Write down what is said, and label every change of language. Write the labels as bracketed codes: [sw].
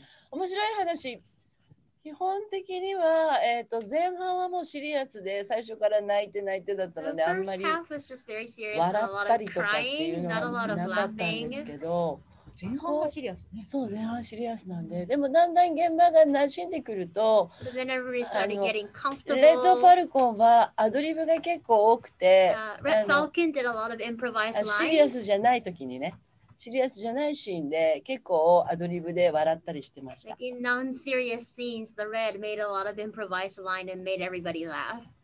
[ja] 面白い話基本的には前半はもうシリアスで 最初から泣いてだったのであんまり [en] The first half was just very serious, not a lot of crying, not a lot of laughing. [ja] 前半はシリアスなんで、でもだんだん現場が馴染んでくると [en] Red Falcon did a lot of improvised lines. [ja] シリアスじゃない時にね、シリアスじゃないシーンで結構アドリブで笑ったりしてました。 [en] Like in non-serious scenes, the Red made a lot of improvised line and made everybody laugh.